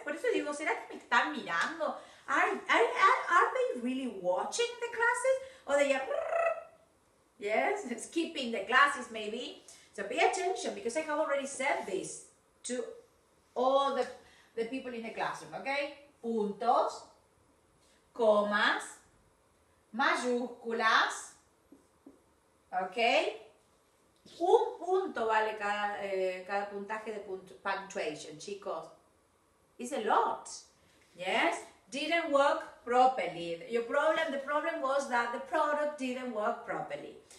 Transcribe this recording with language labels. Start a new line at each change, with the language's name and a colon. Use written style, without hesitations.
Spanish: Por eso digo, ¿será que me están mirando?
English: Are they really watching the classes? Or they are, yes, skipping the classes maybe. So pay attention because I have already said this to all the people in the classroom, okay?
Spanish: Puntos, comas, mayúsculas, okay? Un punto vale cada puntaje de punctuation, chicos.
English: It's a lot. Yes? Didn't work properly. Your problem, the problem was that the product didn't work properly.